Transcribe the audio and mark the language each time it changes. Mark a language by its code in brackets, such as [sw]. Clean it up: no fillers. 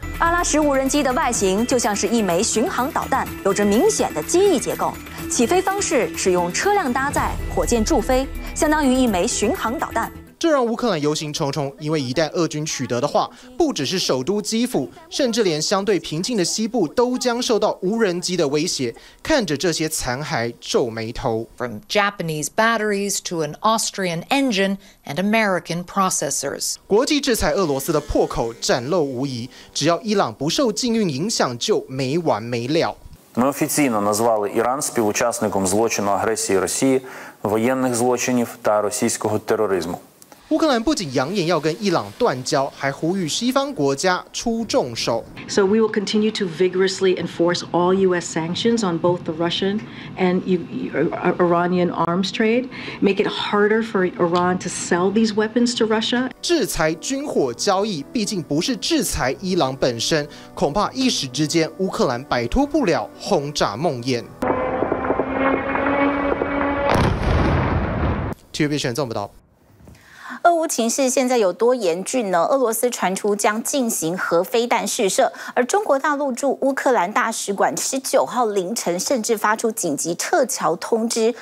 [zh] 阿拉十无人机的外形就像是一枚巡航导弹，有着明显的机翼结构，起飞方式使用车辆搭载火箭助飞，相当于一枚巡航导弹。这让乌克兰忧心忡忡，因为一旦俄军取得的话，不只是首都基辅，甚至连相对平静的西部都将受到无人机的威胁。看着这些残骸皱眉头。 [en] From Japanese batteries to an Austrian engine and American processors， [zh] 国际制裁俄罗斯的破口展露无遗，只要伊朗不受禁运影响，就没完没了。 [uk] Ми офіційно назвали Іран співучасником злочину агресії Росії, воєнних злочинів та російського тероризму。 [zh] 乌克兰不仅扬言要跟伊朗断交，还呼吁西方国家出重手。 [en] So we will continue to vigorously enforce all U.S. sanctions on both the Russian and Iranian arms trade, make it harder for Iran to sell these weapons to Russia. [zh] 制裁军火交易，毕竟不是制裁伊朗本身，恐怕一时之间乌克兰摆脱不了轰炸梦魇。 TVBS 做不到。俄乌情势现在有多严峻呢？俄罗斯传出将进行核飞弹试射，而中国大陆驻乌克兰大使馆19号凌晨甚至发出紧急撤侨通知。